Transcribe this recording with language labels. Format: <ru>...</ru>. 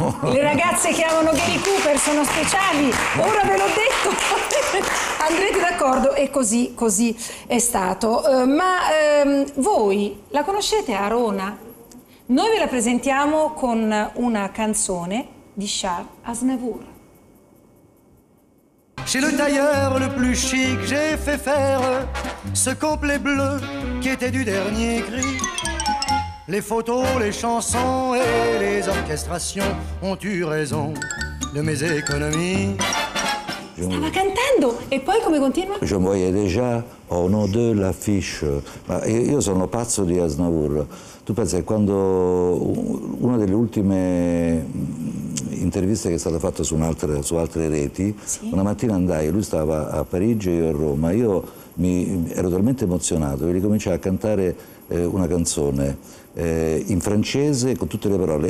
<it>Le ragazze che amano Gary Cooper sono speciali, ora ve l'ho detto. Andrete d'accordo, e così è stato. Ma voi la conoscete a Rona? Noi ve la presentiamo con una canzone di Charles Aznavour.</it> <fr>Chez le tailleur le plus chic, j'ai fait faire ce complet bleu qui était du dernier cri. Les photos, les chansons et les orchestrations ont eu raison de mes économies.</fr> <it>Stava cantando e poi come continua?</it> <fr>Je me voyais déjà au nom de l'affiche.</fr> <it>Ma io sono pazzo di Aznavour. Tu pensi che quando una delle ultime interviste che è stata fatta su altre reti, sì, una mattina andai, lui stava a Parigi e io a Roma, io ero talmente emozionato che ricominciai a cantare una canzone in francese con tutte le parole.</it>